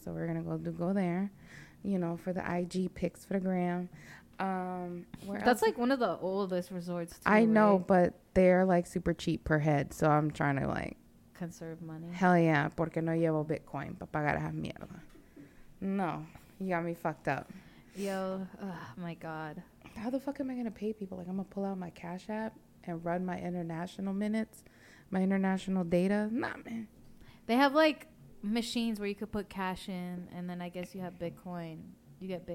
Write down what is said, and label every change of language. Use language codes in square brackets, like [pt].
[en] So we're going to go there, you know, for the IG pics for the gram. That's like one of the oldest resorts too, I know, right? But they're like super cheap per head. So I'm trying to like. Conserve money. Hell yeah, [es] porque no llevo Bitcoin para pagar esa mierda. [en] No, you got me fucked up. Yo, my God. How the fuck am I gonna pay people? Like, I'm gonna pull out my Cash App and run my international minutes, my international data. Nah, man. They have like machines where you could put cash in, and then I guess you have Bitcoin You get Bitcoin.